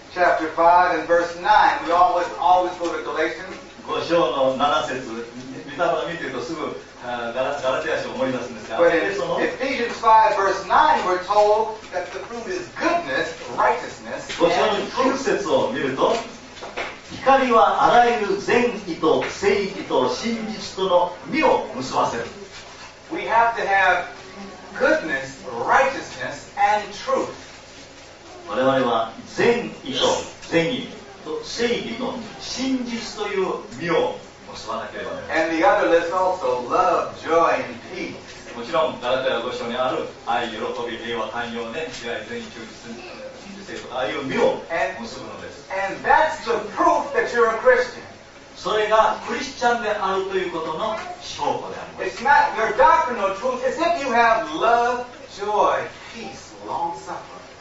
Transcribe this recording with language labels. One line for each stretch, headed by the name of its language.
English: chapter 5 and verse 9. We always go to Galatians.
Japanese: 章の7節、見たのを見ているとすぐガラテヤ書を思い出すんですが、
English: その Ephesians 5 verse 9 we're told that the fruit is goodness, righteousness,
Japanese: 5章の9節を見ると、光はあらゆる善意と正義と真実との実を結ばせる。
English: We have to have goodness, righteousness, and truth.
Japanese: 我々は善意と善意と正義と真実という実を結ばなければならない。
English: And the other list also, love, joy, and peace.
Japanese: もちろん、ガラテヤ5章にある愛、喜び、平和、寛容、ね、慈愛、善意、忠実、真実、ああいう実を結ぶのです。
English: And that's the proof that you're a Christian.
Japanese: それがクリスチャンであるということの証拠であります。
English: It's not your doctrinal truth. It's if you have love, joy, peace, long suffering.